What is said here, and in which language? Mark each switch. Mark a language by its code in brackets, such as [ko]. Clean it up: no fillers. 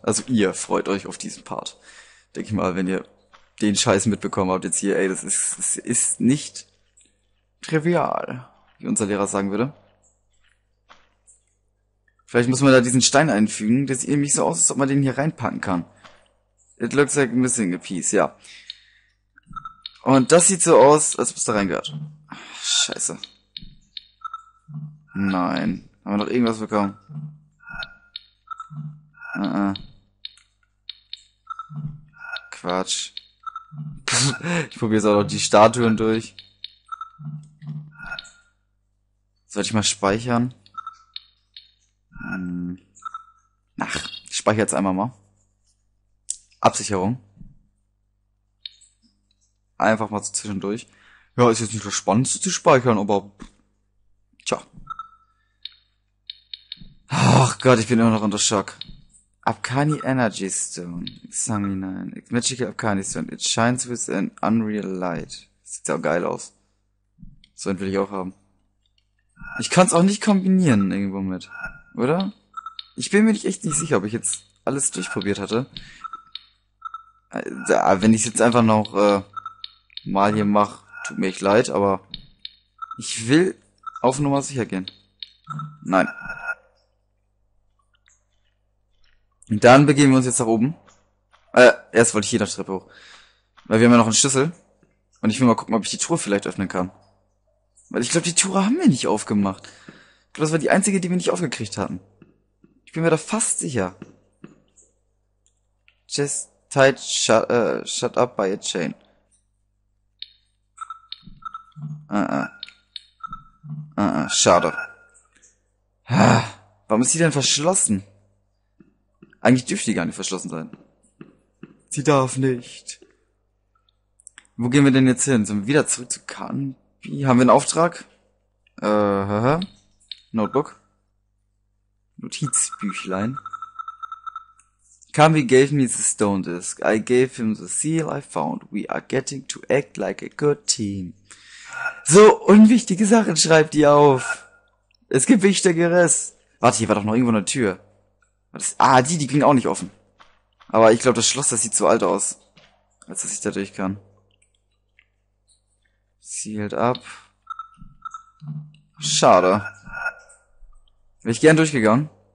[de] Also ihr freut euch auf diesen Part. Denke ich mal, wenn ihr den Scheiß mitbekommen habt jetzt hier, ey, das ist nicht trivial, wie unser Lehrer sagen würde. Vielleicht muss man da diesen Stein einfügen, der sieht nämlich so aus, als ob man den hier reinpacken kann. [en] It looks like missing a piece, ja. [de] Und das sieht so aus, als ob es da reingehört. Scheiße. Nein. Haben wir noch irgendwas bekommen? Quatsch. Ich probiere jetzt auch noch die Statuen durch. Sollte ich mal speichern? Ach, ich speichere jetzt einmal mal. Absicherung. Einfach mal so zwischendurch. Ja, ist jetzt nicht das Spannendste zu speichern, aber. Ach Gott, ich bin immer noch unter Schock. [en] Abkhani Energy Stone. Xami 9. Magical Abkhani Stone. It shines with an unreal light. [de] Sieht ja auch geil aus. So einen will ich auch haben. Ich kann es auch nicht kombinieren irgendwo mit. Oder? Ich bin mir nicht echt nicht sicher, ob ich jetzt alles durchprobiert hatte. Da, wenn ich es jetzt einfach noch mal hier mache, tut mir echt leid, aber ich will auf Nummer sicher gehen. Nein. Und dann begeben wir uns jetzt nach oben. Erst wollte ich hier noch Treppe hoch. Weil wir haben ja noch einen Schlüssel. Und ich will mal gucken, ob ich die Truhe vielleicht öffnen kann. Weil ich glaube, die Truhe haben wir nicht aufgemacht. Ich glaube, das war die einzige, die wir nicht aufgekriegt hatten. Ich bin mir da fast sicher. [en] Just tight, shut up by a chain. [de] Schade. Warum ist die denn verschlossen? Eigentlich dürfte die gar nicht verschlossen sein. Sie darf nicht. Wo gehen wir denn jetzt hin? Sind wir wieder zurück zu Kanbi? Haben wir einen Auftrag? Notebook. Notizbüchlein. [en] Kanbi gave me the stone disk. I gave him the seal I found. We are getting to act like a good team. [de] So unwichtige Sachen schreibt die auf. Es gibt Wichtigeres. Warte, hier war doch noch irgendwo eine Tür. Die ging auch nicht offen. Aber ich glaube, das Schloss, das sieht zu alt aus, als dass ich da durch kann. [en] Sealed up. [de] Schade. Wäre ich gern durchgegangen.